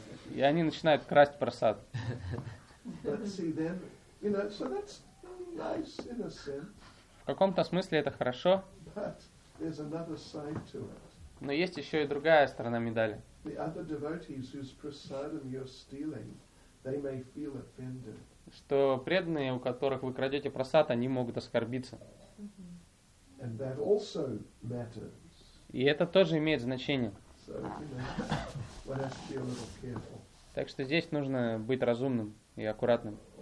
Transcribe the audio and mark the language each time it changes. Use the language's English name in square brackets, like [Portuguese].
[Russian] И они начинают красть просад. [English] But see then, you know, so that's nice in a sense. [Russian] В каком-то смысле это хорошо. [English] But there's another side to it. [Russian] Но есть еще и другая сторона медали. [English] The other devotees whose prasadam you're stealing, they may feel offended. [Russian] Что преданные, у которых вы крадете просад, они могут оскорбиться. [English] Mm-hmm. And that also matters. [Russian] И это тоже имеет значение. [English] So, you know, one has to be a little careful. [Russian] Так что здесь нужно быть разумным и аккуратным.